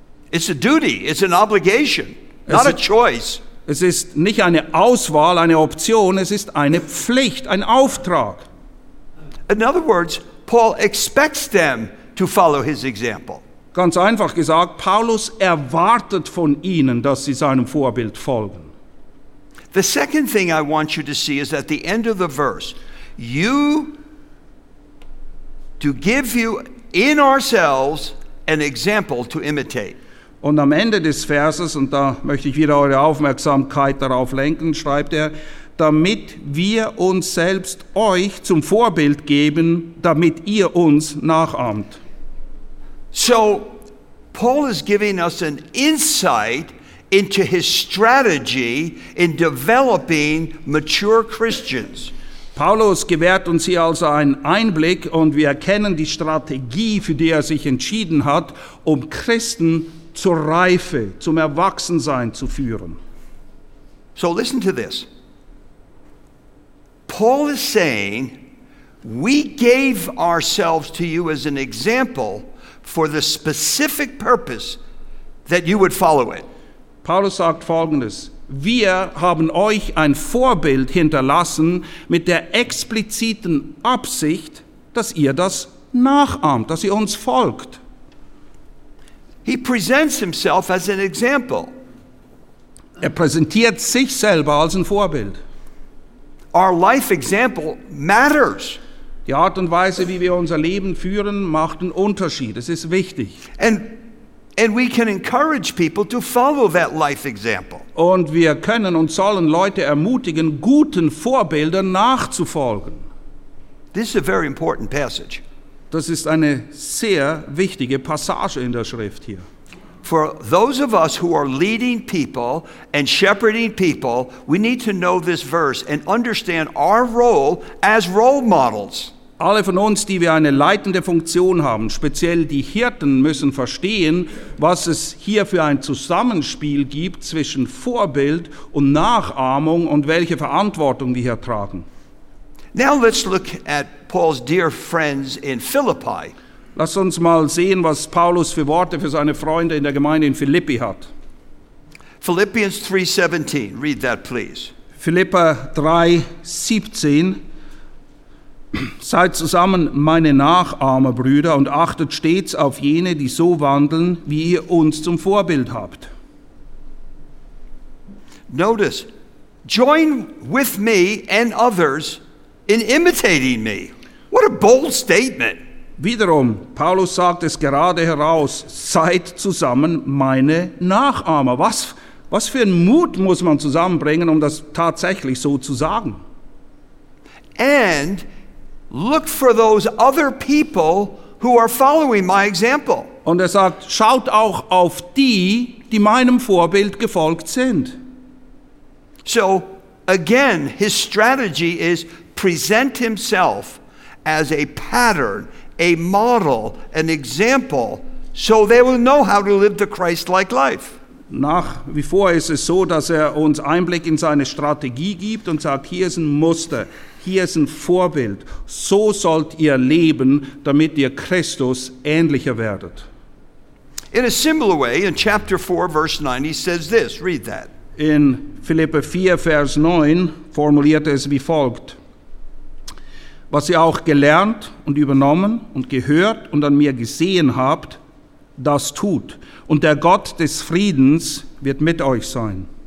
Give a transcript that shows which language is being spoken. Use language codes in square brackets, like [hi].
[en] It's a duty, it's an obligation, not a choice. [de] Es ist nicht eine Auswahl, eine Option, es ist eine Pflicht, ein Auftrag. [en] In other words, Paul expects them to follow his example. [de] Ganz einfach gesagt, Paulus erwartet von ihnen, dass sie seinem Vorbild folgen. [en] The second thing I want you to see is at the end of the verse, you to give you in ourselves an example to imitate. [de] Und am Ende des Verses, und da möchte ich wieder eure Aufmerksamkeit darauf lenken, schreibt er, damit wir uns selbst euch zum Vorbild geben, damit ihr uns nachahmt. [en] So, Paul is giving us an insight into his strategy in developing mature Christians. [de] Paulus gewährt uns hier also einen Einblick und wir erkennen die Strategie, für die er sich entschieden hat, um Christen zur Reife, zum Erwachsensein zu führen. [en] So listen to this. Paul is saying, we gave ourselves to you as an example for the specific purpose that you would follow it. [de] Paulus sagt Folgendes. Wir haben euch ein Vorbild hinterlassen mit der expliziten Absicht, dass ihr das nachahmt, dass ihr uns folgt. [en] He presents himself as an example. [de] Er präsentiert sich selber als ein Vorbild. [en] Our life example matters. [de] Die Art und Weise, wie wir unser Leben führen, macht einen Unterschied. Es ist wichtig. [en] And we can encourage people to follow that life example. [de] Und wir können und sollen Leute ermutigen, guten Vorbildern nachzufolgen. [en] This is a very important passage. [de] Das ist eine sehr wichtige Passage in der Schrift hier. [en] For those of us who are leading people and shepherding people, we need to know this verse and understand our role as role models. [de] Alle von uns, die wir eine leitende Funktion haben, speziell die Hirten, müssen verstehen, was es hier für ein Zusammenspiel gibt zwischen Vorbild und Nachahmung und welche Verantwortung wir hier tragen. [en] Now let's look at Paul's dear friends in Philippi. [de] Lass uns mal sehen, was Paulus für Worte für seine Freunde in der Gemeinde in Philippi hat. [en] Philippians 3:17, read that please. [de] Philipper 3:17. Seid zusammen meine Nachahmer, Brüder, und achtet stets auf jene, die so wandeln, wie ihr uns zum Vorbild habt. [en] Notice, join with me and others in imitating me. What a bold statement. [de] Wiederum, Paulus sagt es gerade heraus, seid zusammen meine Nachahmer. Was für einen Mut muss man zusammenbringen, um das tatsächlich so zu sagen? [en] And look for those other people who are following my example. [de] Und er sagt, schaut auch auf die, die meinem Vorbild gefolgt sind. [en] So, again, his strategy is present himself as a pattern, a model, an example, so they will know how to live the Christ-like life. [de] Nach wie vor ist es so, dass er uns Einblick in seine Strategie gibt und sagt, hier ist ein Muster. Hier ist ein Vorbild. So sollt ihr leben, damit ihr Christus ähnlicher werdet. [en] In a similar way, in chapter 4, verse 9, he says this. Read that. [de] In Philipper 4, Vers 9, formuliert er es wie folgt. Was ihr auch gelernt und übernommen und gehört und an mir gesehen habt, das tut. Und der Gott des Friedens wird mit euch sein.